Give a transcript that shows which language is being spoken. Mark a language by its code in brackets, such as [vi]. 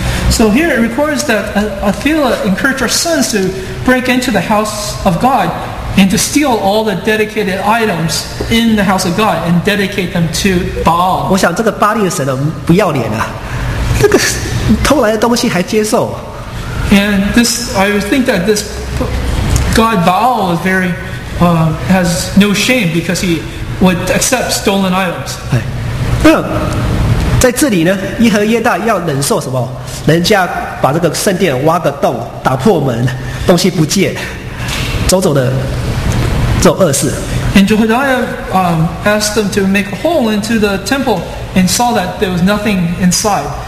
[en] So here it records that Athaliah encouraged her sons to break into the house of God and to steal all the dedicated items in the house of God and dedicate them to Baal. [zh] 我想这个巴利的神不要脸啊，这个偷来的东西还接受。 [en] And this, I think that this God Baal is very, has no shame because he would accept stolen items. [zh] 在这里呢，耶和耶大要忍受什么？人家把这个圣殿挖个洞，打破门，东西不见，走的这种恶事。 [en] And Jehoiada asked them to make a hole into the temple and saw that there was nothing inside.